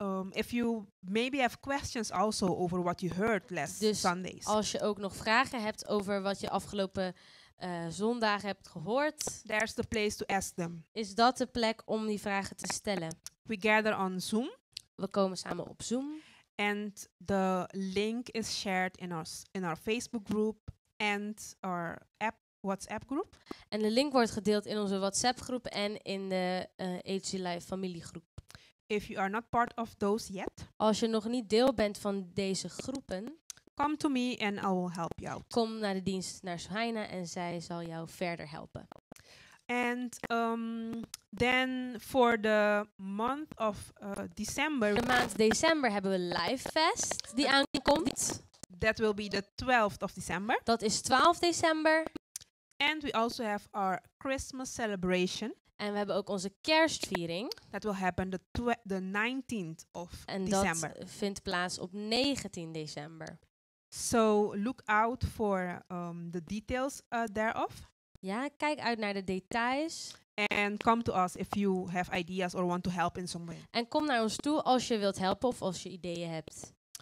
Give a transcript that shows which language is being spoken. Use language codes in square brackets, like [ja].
[en] If you maybe have questions also over what you heard last [nl] dus [en] Sundays. [nl] Als je ook nog vragen hebt over wat je afgelopen zondag hebt gehoord. [en] There's the place to ask them. [nl] Is dat de plek om die vragen te stellen? [en] We gather on Zoom. [nl] We komen samen op Zoom. [en] And the link is shared in our Facebook group and our app WhatsApp group. [nl] En de link wordt gedeeld in onze WhatsApp groep en in de HC Live familiegroep. [en] If you are not part of those yet, [nl] als je nog niet deel bent van deze groepen, [en] come to me and I will help you out. [nl] Kom naar de dienst naar Sohaina en zij zal jou verder helpen. [en] And then for the month of December. [nl] De maand december hebben we Live Fest die aankomt. [en] That will be the 12th of December. [nl] Dat is 12 december. [en] And we also have our Christmas celebration. [nl] En we hebben ook onze kerstviering. [en] That will happen the 19th of [nl] en [en] December. [nl] En dat vindt plaats op 19 december. [en] So look out for the details thereof. [nl] Ja, kijk uit naar de details. [en] And come to us if you have ideas or want to help in some way. [nl] En kom naar ons toe als je wilt helpen of als je ideeën hebt.